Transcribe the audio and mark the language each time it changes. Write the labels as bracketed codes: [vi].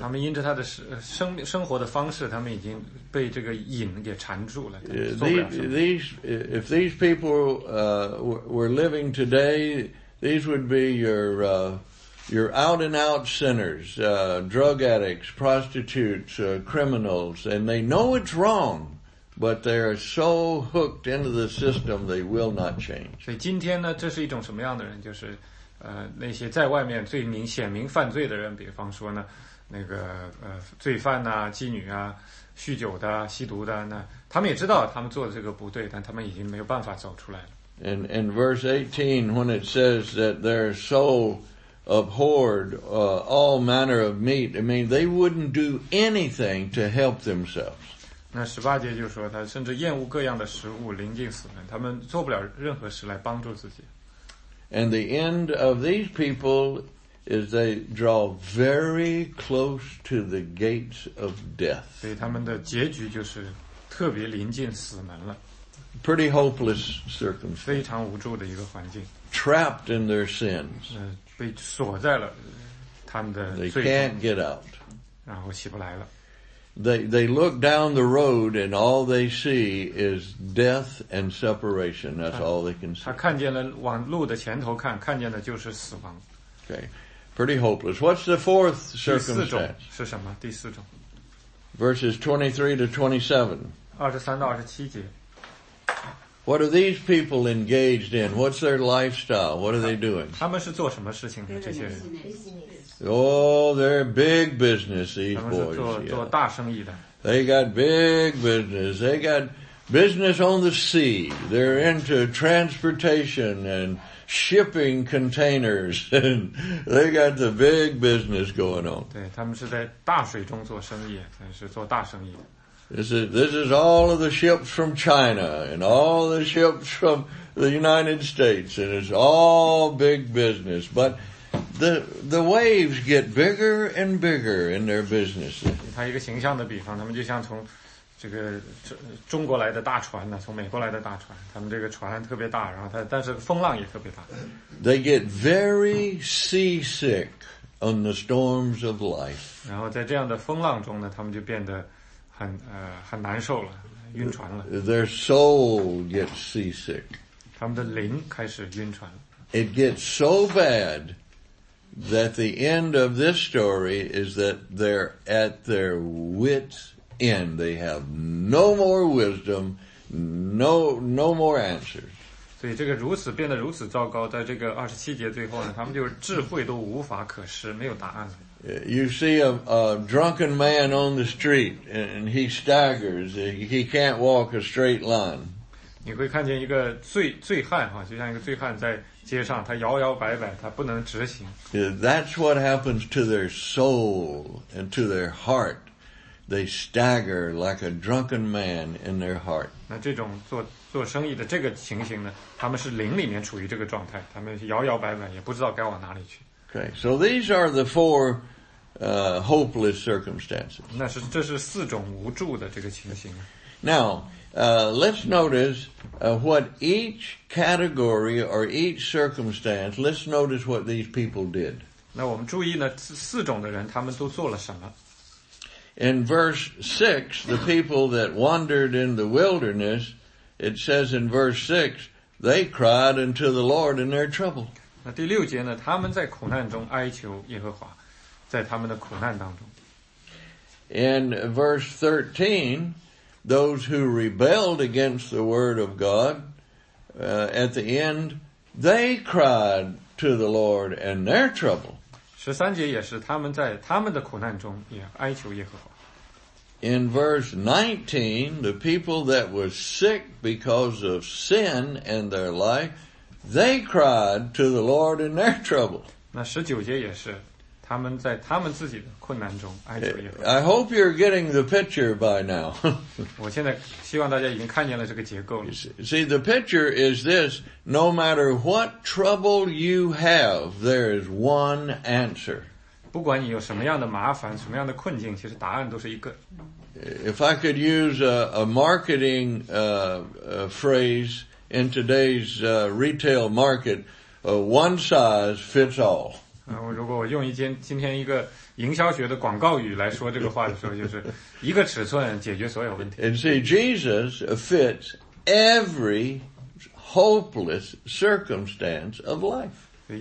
[zh] 他们因着他的生活的方式，他们已经被这个瘾给缠住了。 [en] If these people were living today, these would be your out and out sinners, drug addicts, prostitutes, criminals, and they know it's wrong. But they are so hooked into the system, they will not change. [zh] 所以今天呢，这是一种什么样的人？就是，那些在外面罪名显明犯罪的人，比方说呢，那个罪犯呐、妓女啊、酗酒的、吸毒的，那他们也知道他们做的这个不对，但他们已经没有办法走出来了。 [en] And verse 18, when it says that their soul abhorred all manner of meat, I mean they wouldn't do anything to help themselves. [zh] 那十八节就说他甚至厌恶各样的食物，临近死人，他们做不了任何事来帮助自己。 [en] And the end of these people is they draw very close to the gates of death. [zh] 所以他们的结局就是特别临近死门了。 [en] Pretty hopeless circumstance. [zh] 非常无助的一个环境。 [en] Trapped in their sins. [zh] 被锁在了他们的罪中。 [en] They can't get out. [zh] 然后起不来了。 [en] They look down the road and all they see is death and separation. That's all they can see. [zh] 他看见了往路的前头看，看见的就是死亡。 [en] Okay, pretty hopeless. What's the fourth circumstance? [zh] 第四种是什么？第四种。 [en] Verses 23 to 27. [zh] 23到27节。 [en] What are these people engaged in? What's their lifestyle? What are they doing? [zh] 他们是做什么事情的？这些人。 [en] Oh, they're big business, these boys. [zh] 做大生意的。 [en] They got big business. They got business on the sea. They're into transportation and shipping containers. And they got the big business going on. [zh] 对，他们是在大水中做生意，但是做大生意的。 [en] This is all of the ships from China and all the ships from the United States. And it's all big business. But the waves get bigger and bigger in their business. [zh] 他一个形象的比方，他们就像从这个中国来的大船呢，从美国来的大船，他们这个船特别大，然后它但是风浪也特别大。 [en] They get very seasick on the storms of life. [zh] 然后在这样的风浪中呢，他们就变得很很难受了，晕船了。 [en] Their soul gets seasick. [zh] 他们的灵开始晕船了。 [en] It gets so bad that the end of this story is that they're at their wit's end. They have no more wisdom, no more answers. [zh] 所以这个如此变得如此糟糕，在这个二十七节最后呢，他们就是智慧都无法可施，没有答案了。 [en] You see a drunken man on the street, and he staggers. He can't walk a straight line. [zh] 你会看见一个醉汉哈，就像一个醉汉在。街上他摇摇摆摆他不能执行。 [en] That's what happens to their soul and to their heart. They stagger like a drunken man in their heart. [zh] 那这种做生意的这个情形呢，他们是灵里面处于这个状态，他们摇摇摆摆也不知道该往哪里去。 [en] Okay, so these are the four hopeless circumstances. [zh] 这是四种无助的这个情形。 [en] Now, let's notice what each category or each circumstance, let's notice what these people did. [zh] 那我们注意呢，四种的人他们都做了什么。 [en] In verse 6, the people that wandered in the wilderness, it says in verse 6, they cried unto the Lord in their trouble. [zh] 那第六节呢，他们在苦难中哀求耶和华，在他们的苦难当中。 [en] In verse 13, those who rebelled against the word of God, at the end, they cried to the Lord in their trouble. [zh] 十三节也是他们在他们的苦难中也哀求耶和华。 [en] In verse 19, the people that were sick because of sin in their life, they cried to the Lord in their trouble. [zh] 那十九节也是他们在他们自己的困难中哀求耶和华。 [en] I hope you're getting the picture by now. [zh] 我现在希望大家已经看见了这个结构了。 [en] See, the picture is this, no matter what trouble you have, there is one answer. [zh] 不管你有什么样的麻烦，什么样的困境，其实答案都是一个。 [en] If I could use a marketing phrase in today's retail market, one size fits all. [zh] 如果我用今天一个营销学的广告语来说这个话的时候，就是一个尺寸解决所有问题。 [en] And see, Jesus fits every hopeless circumstance of life.